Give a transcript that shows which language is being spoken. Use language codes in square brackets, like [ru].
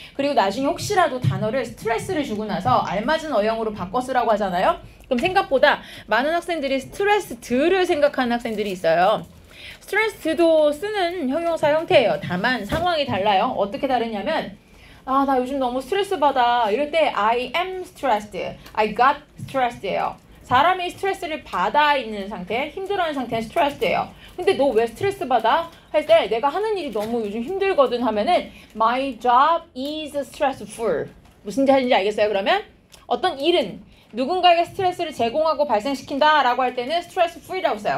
[ko] 그리고 나중에 혹시라도 단어를 스트레스를 주고 나서 알맞은 어형으로 바꿔쓰라고 하잖아요? 그럼 생각보다 많은 학생들이 스트레스드를 생각하는 학생들이 있어요. 스트레스드도 쓰는 형용사 형태예요. 다만 상황이 달라요. 어떻게 다르냐면, 아, 나 요즘 너무 스트레스 받아. 이럴 때 [en] I am stressed. I got stressed예요. [ko] 사람이 스트레스를 받아 있는 상태, 힘들어하는 상태는 스트레스예요. 근데 너왜 스트레스 받아? 할때 내가 하는 일이 너무 요즘 힘들거든 하면은 [en] My job is stressful. [ko] 무슨 말인지 알겠어요? 그러면 어떤 일은 누군가에게 스트레스를 제공하고 발생시킨다라고 할 때는 stressful이라고 써요.